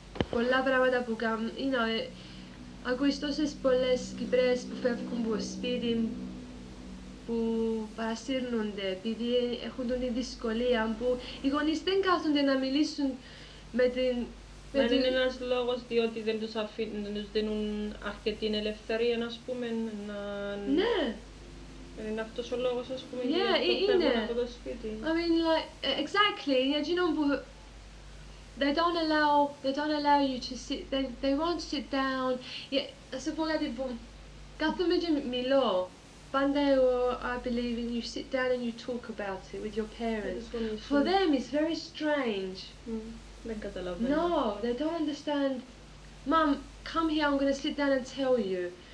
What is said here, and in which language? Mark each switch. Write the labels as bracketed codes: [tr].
[el] Πολλά πράγματα που κάνουν, είναι [en] you know, [el] ακούεις τόσες πολλές Κυπρές που φεύγουν από σπίτι που παρασύρνονται επειδή έχουν την δυσκολία που οι γονείς δεν κάθονται να μιλήσουν με την... Δεν είναι ένας λόγος διότι δεν τους αφήνουν, δεν τους δίνουν αρκετή ελευθερία, ας πούμε, να... Ναι! Είναι αυτός ο λόγος, ας πούμε, yeah, γιατί το είναι. Από το σπίτι. [en] I mean, like, exactly, [el] είναι εκείνον που... [en] They don't allow you to sit, they won't sit down. [el] Yeah, σε πω κάτι που κάθομαι και μιλώ. Πάντα εγώ, [en] I believe, and you sit down and you talk about it with your parents. For them, it's very strange. [el] Δεν καταλαβαίνω. [en] No, they don't understand. Mom, come here, I'm going to sit down and tell you.